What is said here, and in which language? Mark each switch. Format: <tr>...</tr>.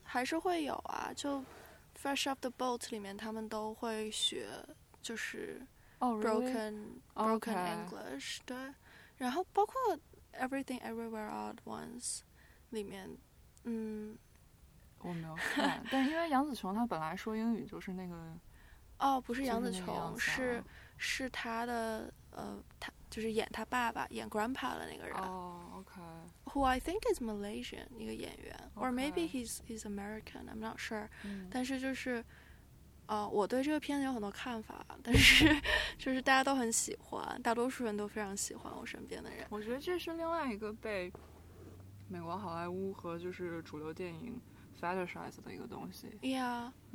<zh>还是会有啊，就 Fresh Off the Boat 里面他们都会学，就是</zh> <en>broken English，</en> <zh>对，然后包括 Everything Everywhere All at Once 里面，我没有看，但因为杨紫琼她本来说英语就是那个，哦，不是杨紫琼，是她的她就是演她爸爸演 grandpa 的那个人。哦 ，OK。</zh> <en>Who I think is Malaysian</en> <zh>一个演员</zh> <en>，or maybe he's American， I'm not sure、嗯。</en> <zh>但是就是，我对这个片子有很多看法，但是就是大家都很喜欢，大多数人都非常喜欢我身边的人。我觉得这是另外一个被美国好莱坞和就是主流电影fetishize 的一个东西。</zh> <en>Yeah。</en>